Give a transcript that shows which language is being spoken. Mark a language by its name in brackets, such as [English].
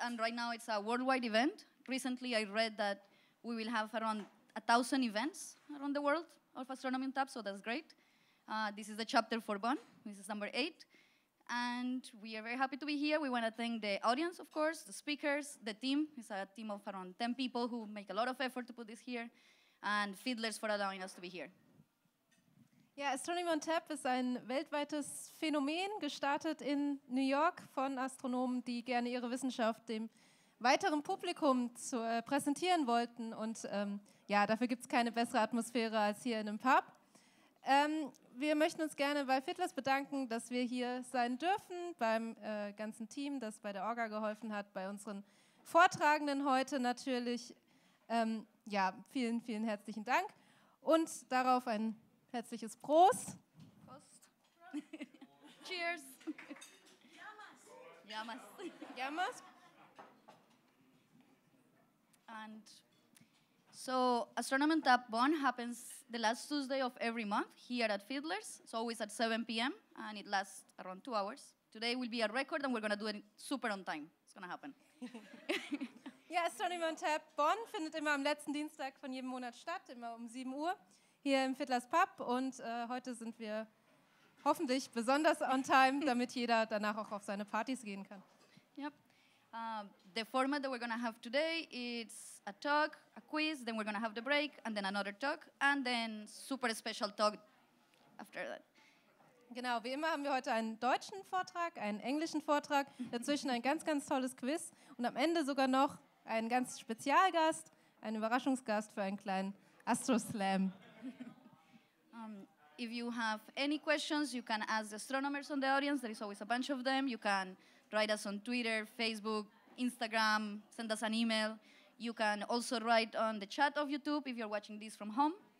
[English] And right now it's a worldwide event. Recently I read that we will have around 1,000 events around the world of Astronomy on Tap, so that's great. This is the chapter for Bonn. This is number 8. And we are very happy to be here. We want to thank the audience, of course, the speakers, the team. It's a team of around 10 people who make a lot of effort to put this here, and Fiddlers for allowing us to be here. [German] Ja, Astronomy on Tap ist ein weltweites Phänomen, gestartet in New York von Astronomen, die gerne ihre Wissenschaft dem weiteren Publikum zu präsentieren wollten. Und ja, dafür gibt es keine bessere Atmosphäre als hier in einem Pub. Wir möchten uns gerne bei Fiddlers bedanken, dass wir hier sein dürfen, beim ganzen Team, das bei der Orga geholfen hat, bei unseren Vortragenden heute natürlich. Ja, vielen, vielen herzlichen Dank und darauf ein herzliches Prost. Prost. Cheers. [Greek] Yamas. Yamas. Yamas. [English] And so Astronomy on Tap Bonn happens the last Tuesday of every month here at Fiddlers. It's always at 7 p.m. and it lasts around 2 hours. Today will be a record and we're going to do it super on time. It's going to happen. [German] Ja, Astronomy on Tap Bonn findet immer am letzten Dienstag von jedem Monat statt, immer um 7 Uhr hier im Fiddlers Pub. Und heute sind wir hoffentlich besonders [English] on time, [German] damit jeder danach auch auf seine Partys gehen kann. [English] Yep. The format that we're going to have today is a talk, a quiz, then we're going to have the break, and then another talk, and then super special talk after that. [German] Genau, wie immer haben wir heute einen deutschen Vortrag, einen englischen Vortrag, dazwischen ein ganz, ganz tolles Quiz und am Ende sogar noch einen ganz Spezialgast, einen Überraschungsgast für einen kleinen Astro-Slam. [English] If you have any questions, you can ask the astronomers on the audience, there is always a bunch of them. You can write us on Twitter, Facebook, Instagram, send us an email. You can also write on the chat of YouTube if you're watching this from home.